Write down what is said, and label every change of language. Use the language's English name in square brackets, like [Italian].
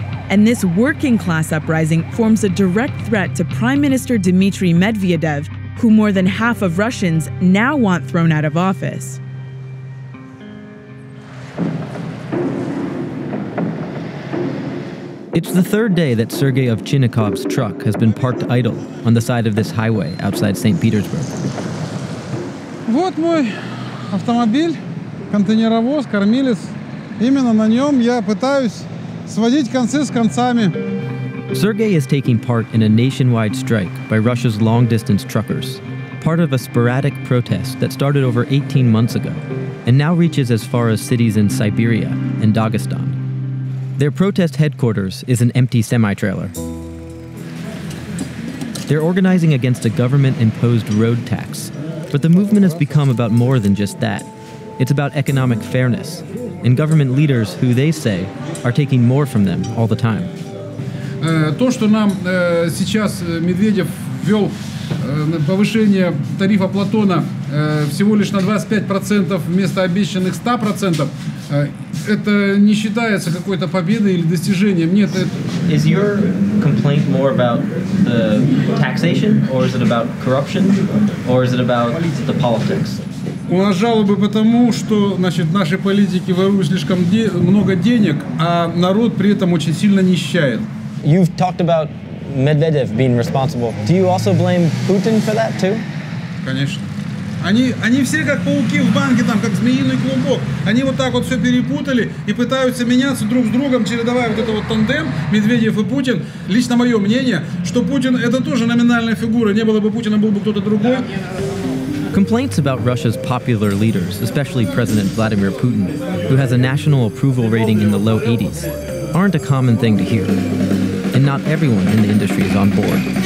[English] And this working-class uprising forms a direct threat to Prime Minister Dmitry Medvedev, who more than half of Russians now want thrown out of office. It's the third day that Sergei Ovchinnikov's truck has been parked idle on the side of this highway outside St. Petersburg. [Russian] Вот мой автомобиль, контейнеровоз, кормилец. Именно на нем я пытаюсь... [English] Sergei is taking part in a nationwide strike by Russia's long-distance truckers, part of a sporadic protest that started over 18 months ago and now reaches as far as cities in Siberia and Dagestan. Their protest headquarters is an empty semi-trailer. They're organizing against a government-imposed road tax, but the movement has become about more than just that. It's about economic fairness and government leaders who they say are taking more from them all the time. [Russian] То, что нам сейчас Медведев ввел повышение тарифа Платона всего лишь на 25% вместо обещанных 100%, это не считается какой-то победой или достижением. Нет, это... [English] Is your complaint more about the taxation, or is it about corruption, or is it about the politics? [Russian] У нас жалобы потому, что, значит, наши политики воруют слишком много денег, а народ при этом очень сильно нищает. [English] You've talked about Medvedev being responsible. Do you also blame Putin for that too? [Russian] Конечно. Они все как пауки в банке, там, как змеиный клубок. Они вот так вот все перепутали и пытаются меняться друг с другом, чередовая вот это вот тандем Медведев и Путин. Лично мое мнение, что Путин это тоже номинальная фигура. Не было бы Путина, был бы кто-то другой. [English] Complaints about Russia's popular leaders, especially President Vladimir Putin, who has a national approval rating in the low 80s, aren't a common thing to hear. And not everyone in the industry is on board.